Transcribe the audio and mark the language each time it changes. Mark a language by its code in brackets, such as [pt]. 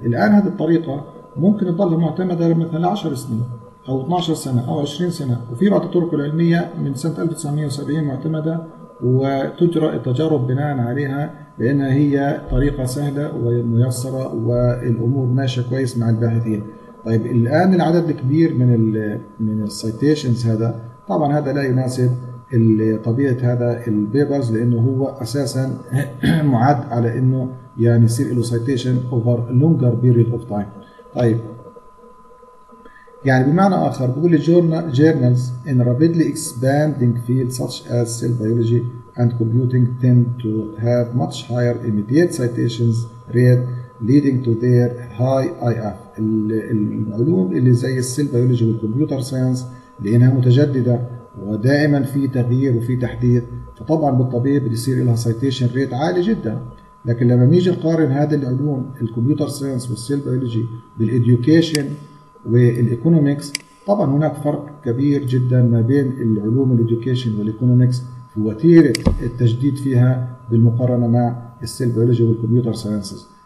[ar] الان هذه الطريقه ممكن تظل معتمده مثلا 10 سنين او 12 سنه او 20 سنه، وفي بعض الطرق العلميه من سنه 1970 معتمده وتجرى التجارب بناء عليها لانها هي طريقه سهله وميسره والامور ماشيه كويس مع الباحثين. طيب الان العدد الكبير من السيتيشنز هذا طبعا هذا لا يناسب طبيعة هذا البيبرز لأنه هو أساساً معد على أنه يعني يصير له [en] citation over longer period of time. [ar] طيب يعني بمعنى آخر بقول [en] journals in rapidly expanding fields such as cell biology and computing tend to have much higher immediate citations rate leading to their high IF. [ar] العلوم اللي زي cell biology والcomputer science لأنها متجددة ودائما في تغيير وفي تحديث، فطبعا بالطبيعي بيصير لها سايتيشن ريت عالي جدا. لكن لما نيجي نقارن هذه العلوم الكمبيوتر ساينس والسيل بيولوجي بالإديوكيشن والإيكونومكس، طبعا هناك فرق كبير جدا ما بين العلوم الإديوكيشن والإيكونومكس في وتيرة التجديد فيها بالمقارنة مع السيل بيولوجي والكمبيوتر ساينسز.